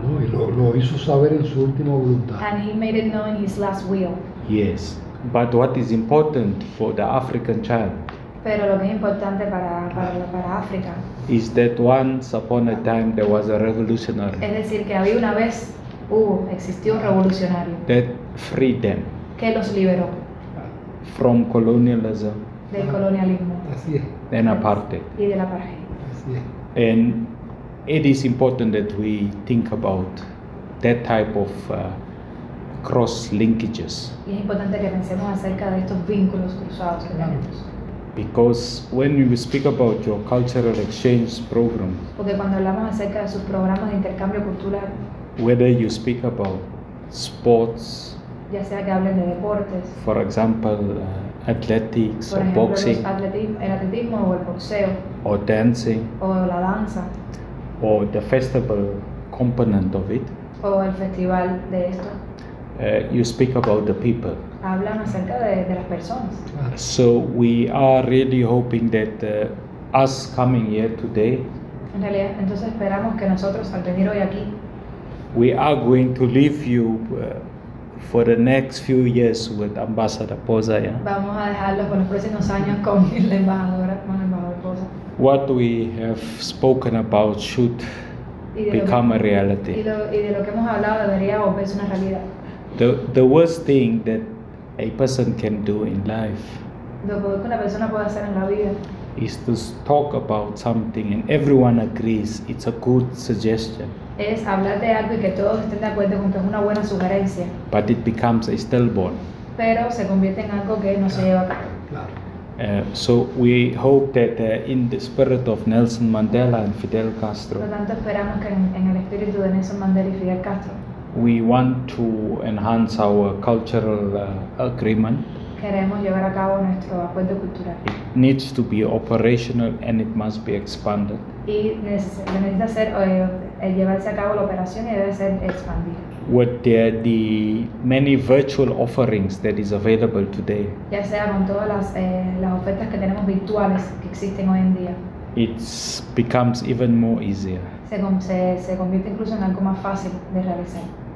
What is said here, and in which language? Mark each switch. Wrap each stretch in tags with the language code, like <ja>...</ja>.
<es>No, y lo hizo saber en su última voluntad.</es> <en>And he made it known in his last will. Yes, but what is important for the African child?</en> <es>Pero lo que es importante para África.</es> <en>Is that once upon a time there was a revolutionary.</en> <es>Es decir, que había una vez, existió un revolucionario.</es> <en>That freed them.</en> <es>Que los liberó.</es> <en>From colonialism.</en> <es>Del colonialismo. Así es.</es> <en>And apartheid.</en> <es>Y de la apartheid. Así es.</es> <en>And it is important that we think about that type of cross linkages.</en> <es>Y es importante que pensemos acerca de estos vínculos cruzados que tenemos.</es> <en>Because when you speak about your cultural exchange program,</en> <es>porque cuando hablamos acerca de sus programas de intercambio cultural,</es> <en>whether you speak about sports,</en> <es>ya sea que hablen de deportes,</es> <en>for example, athletics,</en> <es>por ejemplo,</es> <en>or boxing,</en> <es>el atletismo o el boxeo,</es> <en>or dancing,</en> <es>o la danza,</es> <en>or the festival component of it,</en> <es>o el festival de esto,</es> <en>you speak about the people.</en> <es>Hablan acerca de las personas.</es> <en>So we are really hoping that us coming here today,</en> <es>en realidad, entonces esperamos que nosotros al venir hoy aquí,</es> <en>we are going to leave you for the next few years with Ambassador Poza, yeah?</en> <es>Vamos a dejarlos por los próximos años con la embajadora, con el embajador Poza.</es> <en>What we have spoken about should become</en> <es>que,</es> <en>a reality.</en> <es>Y de lo que hemos hablado debería volverse una realidad.</es> <en>The worst thing that a person can do in life,</en> <es>lo peor que una persona puede hacer en la vida,</es> <en>is to talk about something and everyone agrees it's a good suggestion.</en> <es>Es hablar de algo y que todos estén de acuerdo con que es una buena sugerencia.</es> <en>But it becomes a stillborn.</en> <es>Pero se convierte en algo que no se lleva a cabo.</es> <en>So we hope that in the spirit of Nelson Mandela and Fidel Castro,</en> <es>por tanto esperamos que en el espíritu de Nelson Mandela y Fidel Castro,</es> <en>we want to enhance our cultural agreement.</en> <es>Queremos llevar a cabo nuestro acuerdo cultural.</es> <en>It needs to be operational and it must be expanded.</en> <es>Y necesita ser, llevarse a cabo la operación y debe ser expandido.</es> <en>With the many virtual offerings that is available today.</en> <es>Ya sea con todas las ofertas que tenemos virtuales que existen hoy en día.</es> <en>It becomes even more easier.</en> <es>Se convierte incluso en algo más fácil de realizar.</es>